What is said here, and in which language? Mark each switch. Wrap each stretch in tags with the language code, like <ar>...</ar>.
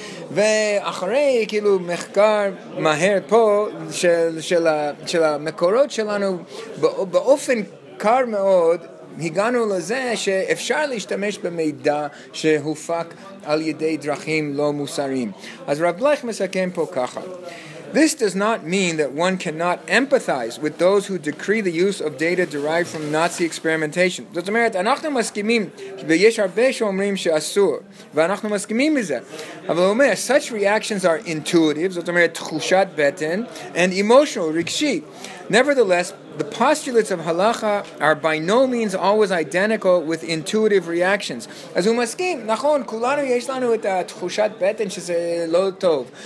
<he>ואחרי כאילו מחקר מהר פה של המקורות שלנו באופן קר מאוד הגענו לזה שאפשר להשתמש במידע שהופק על ידי דרכים לא מוסריים. אז רב בלייך מסכם פה ככה.</he> <en>This does not mean that one cannot empathize with those who decree the use of data derived from Nazi experimentation.</en> <he>זאת אומרת, אנחנו מסכימים, ויש הרבה שאומרים שאסור, ואנחנו מסכימים מזה. אבל הוא אומר,</he> <en>such reactions are intuitive,</en> <he>זאת אומרת, תחושת בטן,</he> <en>and emotional,</en> <he>רגשי.</he> <en>Nevertheless, the postulates of halakha are by no means always identical with intuitive reactions.</en> <he>אז הוא מסכים, נכון, כולנו יש לנו את התחושת בטן שזה לא טוב.</he>